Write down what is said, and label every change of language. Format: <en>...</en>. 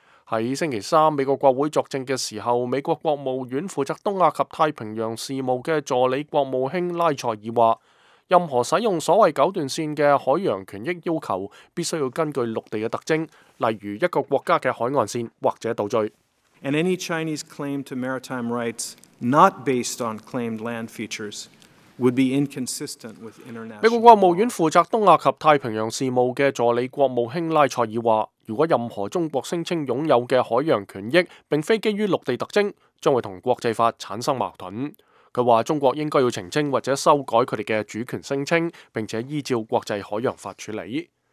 <zh>在星期三美国国会作证的时候，美国国务院负责东亚及太平洋事务的助理国务卿拉塞尔说，任何使用所谓九段线的海洋权益要求必须要根据陆地的特征，例如一个国家的海岸线或者岛屿。</zh> <en>And any Chinese claim to maritime rights not based on claimed land features would be inconsistent with international.</en> <zh>美国国务院负责东亚及太平洋事务的助理国务卿拉塞尔说，如果任何中国声称拥有的海洋权益并非基于陆地特征，将会同国际法产生矛盾。他说中国应该要澄清或者修改他们的主权声称，并且依照国际海洋法处理。</zh>